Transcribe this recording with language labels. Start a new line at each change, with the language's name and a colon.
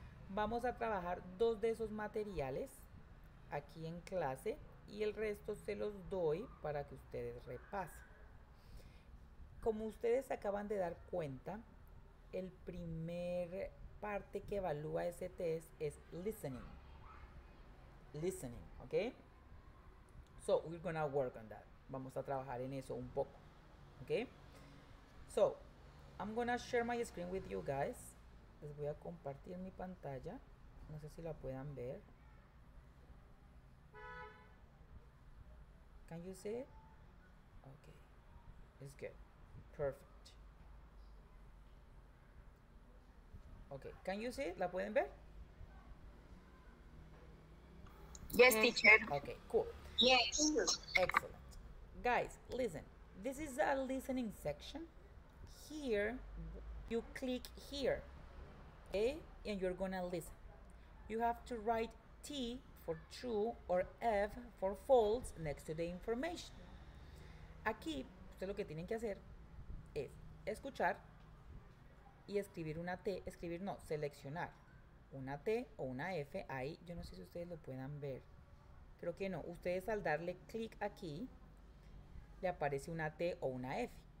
Spanish: Vamos a trabajar dos de esos materiales aquí en clase y el resto se los doy para que ustedes repasen. Como ustedes acaban de dar cuenta, el primer parte que evalúa ese test es listening. Listening, ¿ok?
English: So, we're gonna work on that.
Spanish: Vamos a trabajar en eso un poco, ¿ok?
English: So, I'm gonna share my screen with you guys.
Spanish: Les voy a compartir mi pantalla. No sé si la puedan ver.
English: Can you see? Okay, it's good, perfect. Okay, can you see?
Spanish: ¿La pueden ver?
English: Yes, teacher. Okay, cool. Yes. Excellent. Guys, listen. This is a listening section. Here, you click here, okay? And you're gonna listen. You have to write T for true or F for false next to the information.
Spanish: Aquí, ustedes lo que tienen que hacer es escuchar y escribir una T, escribir, no, seleccionar una T o una F. Ahí, yo no sé si ustedes lo puedan ver. Creo que no. Ustedes al darle clic aquí, le aparece una T o una F.